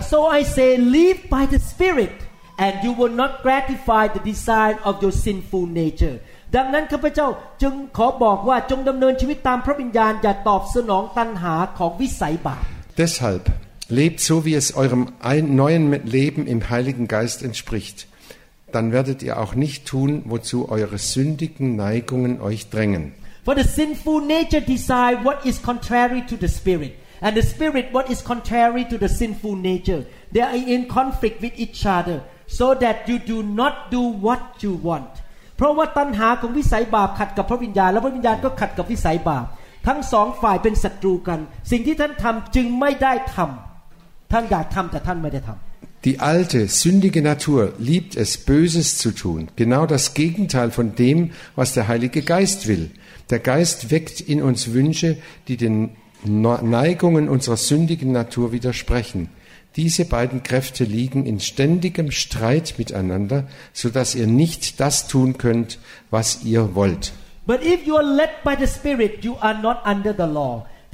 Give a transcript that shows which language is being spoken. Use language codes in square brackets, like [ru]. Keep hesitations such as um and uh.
[en] So I say, live by the Spirit, and you will not gratify the desire of your sinful nature. [th] ดังนั้นข้าพเจ้าจึงขอบอกว่าจงดำเนินชีวิตตามพระวิญญาณอย่าตอบสนองตัณหาของวิสัยบาป [de] Deshalb lebt so wie es eurem ein, neuen Leben im Heiligen Geist entspricht, dann werdet ihr auch nicht tun, wozu eure sündigen Neigungen euch drängen. [en] For the sinful nature decides what is contrary to the spirit. and the spirit what is contrary to the sinful nature they are in conflict with each other so that you do not do what you want [th] เพราะว่าตัณหาของวิสัยบาปขัดกับพระวิญญาณและพระวิญญาณก็ขัดกับวิสัยบาป ทั้งสองฝ่ายเป็นศัตรูกัน สิ่งที่ท่านทําจึงไม่ได้ทําท่านอยากทาแต่ท่านไม่ได้ทํา [de] Die alte, sündige Natur liebt es, Böses zu tun, genau das Gegenteil von dem, was der Heilige Geist will. Der Geist weckt in uns Wünsche, die den Neigungen unserer sündigen Natur widersprechen. Diese beiden Kräfte liegen in ständigem Streit miteinander, so dass ihr nicht das tun könnt, was ihr wollt. [en] But if you are led by the Spirit, you are not under the law.